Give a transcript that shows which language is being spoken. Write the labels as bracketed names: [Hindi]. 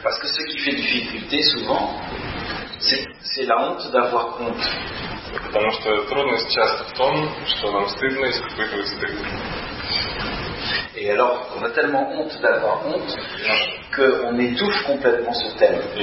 [French] Parce que ce qui fait difficulté souvent, c'est la honte d'avoir honte. [Russian] Потому что трудность часто в том, что нам стыдно испытывать стыд. [French] Et alors, on a tellement honte d'avoir honte qu'on étouffe complètement ce thème.